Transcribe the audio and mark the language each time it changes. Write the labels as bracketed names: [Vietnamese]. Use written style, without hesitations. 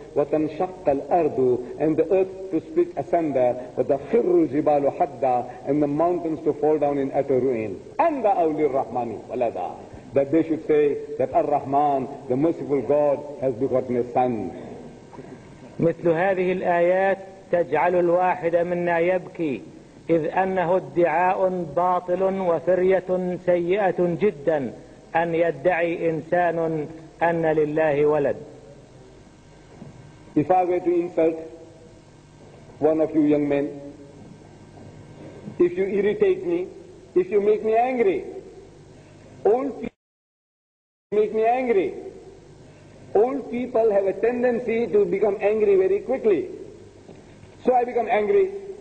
[Arabic] وَتَنْشَقَّ الْأَرْضُ, [English] and the earth to split asunder. [Arabic] وَتَخِرُّ الْجِبَالُ حَدَّا, [English] and the mountains to fall down in utter ruin. [Arabic] أَنْدَ أَوْلِ الرَّحْمَنِ وَلَدَا. [English] That they should say that Ar-Rahman, the merciful God, has begotten a son. [Arabic] مثل هذه الآيات تجعل الواحد منا يبكي, إذ أنه ادعاء باطل وفرية سيئة جدا أن يدعي إنسان أن لله ولد. [English] If I were to insult one of you young men, if you irritate me, if you make me angry, old people have a tendency to become angry very quickly. So I become angry.